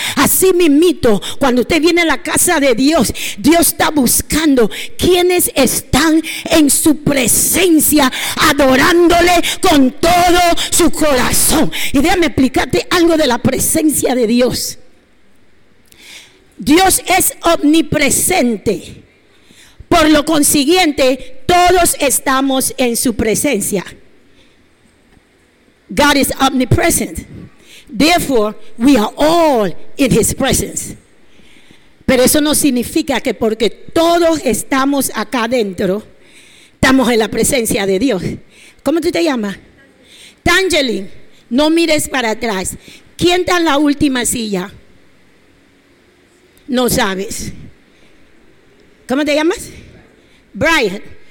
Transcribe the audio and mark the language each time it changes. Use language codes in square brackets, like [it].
[es] Así mismito, cuando usted viene a la casa de Dios, Dios está buscando quienes están en su presencia, adorándole con todo su corazón. Y déjame explicarte algo de la presencia de Dios. Dios es omnipresente. Por lo consiguiente, todos estamos en su presencia. [en] God is omnipresent. Therefore, we are all in his presence. [es] Pero eso no significa que porque todos estamos acá dentro, estamos en la presencia de Dios. ¿Cómo tú te llamas? Tangeline, no mires para atrás. ¿Quién está en la última silla? No sabes. ¿Cómo te llamas? Brian.